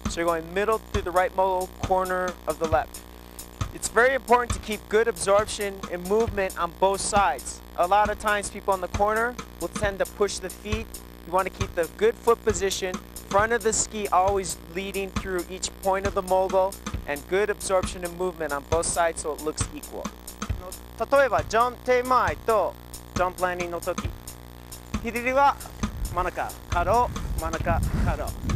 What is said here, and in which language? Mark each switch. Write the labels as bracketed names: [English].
[English] So you're going middle through the right mogul corner of the left. It's very important to keep good absorption and movement on both sides. A lot of times people on the corner will tend to push the feet. You want to keep the good foot position, front of the ski always leading through each point of the mogul, and good absorption and movement on both sides so it looks equal. [Japanese] 例えばジャンプ手前とジャンプランディングの時。左は真ん中、カロー、真ん中、カロ